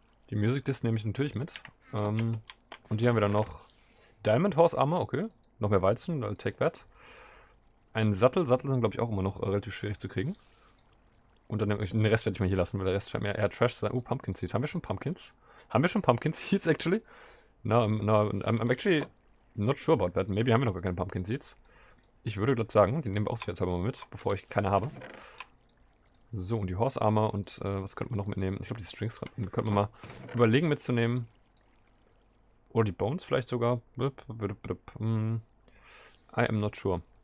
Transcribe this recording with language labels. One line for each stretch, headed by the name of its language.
German: Die Music Disc nehme ich natürlich mit. Und hier haben wir dann noch Diamond House Armor, okay. Noch mehr Weizen,
English: I'll take that.
German: Ein Sattel. Sattel sind, glaube ich, auch immer noch relativ schwierig zu kriegen. Und dann nehme ich den Rest, werde ich mal hier lassen, weil der Rest scheint mir eher Trash zu sein. Pumpkin Seeds. Haben wir schon Pumpkin Seeds, actually?
English: No, I'm actually not sure about that.
German: Maybe haben wir noch gar keine Pumpkin Seeds. Ich würde gerade sagen, die nehmen wir auch sicherheitshalber mal mit, bevor ich keine habe. So, und die Horse Armor und was könnte man noch mitnehmen? Ich glaube, die Strings könnten wir mal überlegen mitzunehmen. Oder die Bones vielleicht sogar.
English: I am not sure.